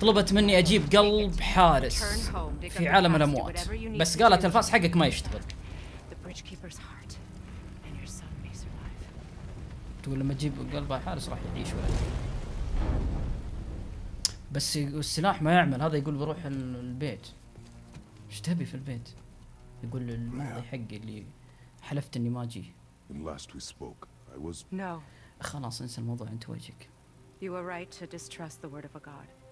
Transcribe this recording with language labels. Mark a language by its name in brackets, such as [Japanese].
[Arabic] طلبت مني اجيب قلب حارس في عالم الاموات. بس قالت الفاس حقك ما يشتغل. [English] The bridgekeeper's heart and your son may survive. [Arabic] تقول لما اجيب قلب حارس راح يعيش ولا. بس السلاح ما يعمل هذا يقول بروح البيت. ايش تبي في البيت؟ يقول الماضي حقي اللي حلفت اني ما اجي. [English] Last we spoke, I was. No. [Arabic] خلاص انسى الموضوع انت وجهك. [English] You were right to distrust the word of a god.